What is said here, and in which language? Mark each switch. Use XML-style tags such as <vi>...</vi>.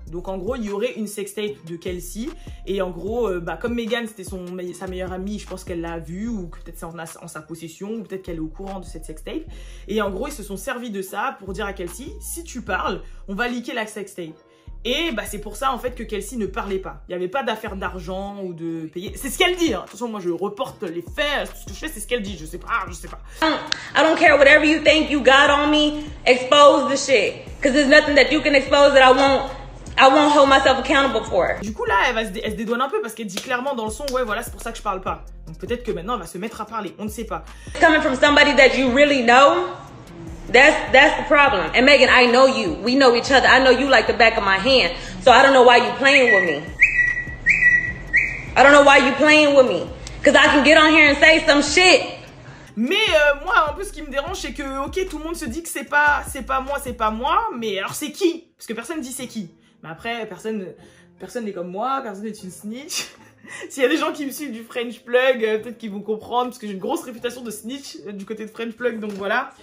<fr>Donc en gros, il y aurait une sextape de Kelsey. Et en gros, bah, comme Megan, c'était sa meilleure amie, je pense qu'elle l'a vue, ou que peut-être c'est en sa possession, ou peut-être qu'elle est au courant de cette sextape. Et en gros, ils se sont servis de ça pour dire à Kelsey, si tu parles, on va leaker la sextape. Et bah, c'est pour ça en fait que Kelsey ne parlait pas. Il n'y avait pas d'affaire d'argent ou de payer. C'est ce qu'elle dit. Hein. De toute façon, moi je reporte les faits. Tout ce que je fais, c'est ce qu'elle dit. Je sais pas, je sais pas.</fr> <en>I don't care whatever you think you got on me. Expose the shit. Cause there's nothing that you can expose that I won't hold myself accountable for.</en> <fr>Du coup, là, elle se dédouane un peu parce qu'elle dit clairement dans le son, ouais, voilà, c'est pour ça que je parle pas. Donc peut-être que maintenant elle va se mettre à parler. On ne sait pas.</fr> <en>Coming from somebody that you really know. That's the problem. And Megan, I know you. We know each other. I know you like the back of my hand. So I don't know why you playing with me. I don't know why you playing with me. Cause I can get on here and say some shit.</en> <fr>Mais moi, un peu ce qui me dérange, c'est que ok, tout le monde se dit que c'est pas moi. Mais alors c'est qui? Parce que personne dit c'est qui. Mais après, personne n'est comme moi. Personne n'est une snitch. S'il y a des gens qui me suivent du French Plug, peut-être qu'ils vont comprendre, parce que j'ai une grosse réputation de snitch du côté de French Plug, donc voilà.</fr>